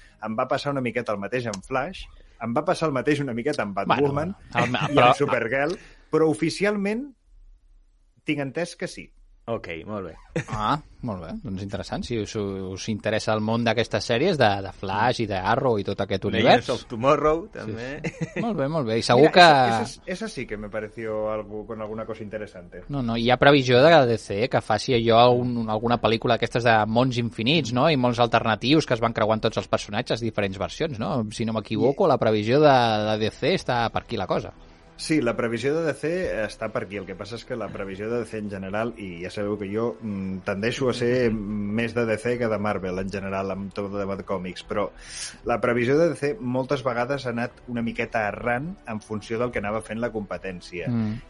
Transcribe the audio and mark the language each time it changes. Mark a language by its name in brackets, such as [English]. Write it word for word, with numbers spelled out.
[Catalan] Em va passar una miqueta el mateix en Flash, em va passar el mateix una miqueta en Batwoman bueno, i en Supergirl, però oficialment tinc entès que sí. Ok, molt bé. Ah, molt bé, doncs interessant. Si us, us interessa el món d'aquestes sèries, de, de Flash i d'Arrow i tot aquest univers... Legends of Tomorrow, també. Sí, sí. Molt bé, molt bé. I segur Mira, que... [Spanish] Esa, esa sí que me pareció algo, con alguna cosa interesante. [Catalan] No, no, hi ha previsió de D C que faci allò un, alguna pel·lícula d'aquestes de mons infinits, no? I mons alternatius que es van creuant tots els personatges, diferents versions, no? Si no m'equivoco, la previsió de, de D C està per aquí la cosa. Sí, la previsió de D C està per aquí. El que passa és que la previsió de D C en general, i ja sabeu que jo tendeixo a ser més de D C que de Marvel en general, amb tot de Bad Comics, però la previsió de D C moltes vegades ha anat una miqueta errant en funció del que anava fent la competència. Mm.